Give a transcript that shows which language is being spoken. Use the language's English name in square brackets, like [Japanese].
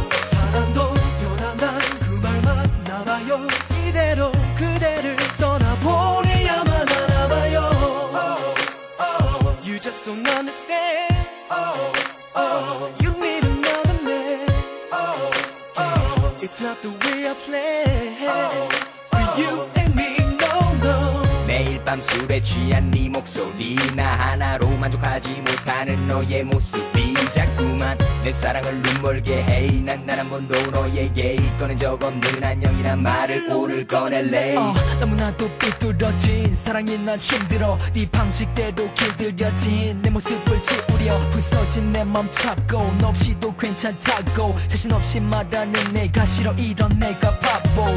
[Korean] 사람도 변한단 그 말만 남아요 이대로 그대를 떠나보내야만 하나봐요 oh, oh, oh. [English] You just don't understand oh, oh, oh. You need another man oh, oh. It's not the way I play oh, oh. For you and me, no, no [Korean] 매일 밤 술에 취한 네 목소리 나 하나로 만족하지 못하는 너의 모습 자꾸만 내 사랑을 눈멀게 해 난 단 한 번도 너에게 꺼낸 적 없는 안녕이란 말을 오늘 꺼낼래 너무나도 삐뚤어진 사랑이 난 힘들어 네 방식대로 길들여진 내 모습을 지우려 부서진 내 맘 찾고 너 없이도 괜찮다고 자신 없이 말하는 내가 싫어 이런 내가 바보